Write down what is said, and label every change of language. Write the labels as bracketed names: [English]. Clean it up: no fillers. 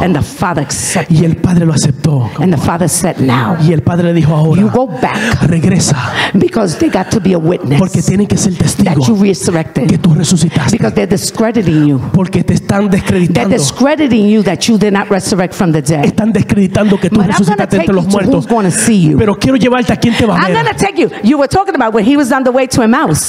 [English] And the Father accepted. [Spanish] Y el Padre lo aceptó. [English] And the Father said, "Now." [Spanish] Y el Padre le dijo, ahora. [English] You go back. [Spanish] Regresa. [English] Because they got to be a witness. [Spanish] Porque tienen que ser testigo. [English] That you resurrected. [Spanish] Que tú resucitaste. [English] Because they're discrediting you. [Spanish] Porque te están descreditando. [English] They're discrediting you that you did not resurrect from the dead. [Spanish] Están descreditando que tú resucitaste entre los muertos. [English] But I'm going to see you. [Spanish] Pero quiero llevarte a quien te va a ver. [English] I'm going to take you. You were talking about when he was on the way to Emmaus.